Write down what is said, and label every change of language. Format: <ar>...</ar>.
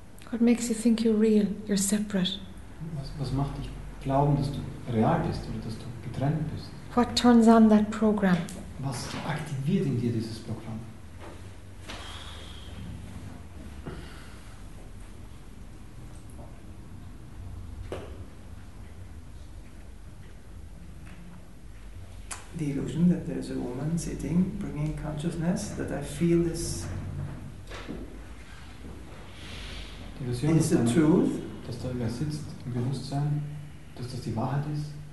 <en>What makes you think you're real, you're separate?</en> <de>Was macht dich glauben, dass du real bist oder dass du getrennt bist?</de> <en>What turns on that program?</en> <de>Was aktiviert in dir dieses Programm?</de> <en>The illusion that there's a woman sitting, bringing consciousness, that I feel this. Is the truth?</en> <de>Dass da wer sitzt im Bewusstsein, dass das die Wahrheit ist.</de>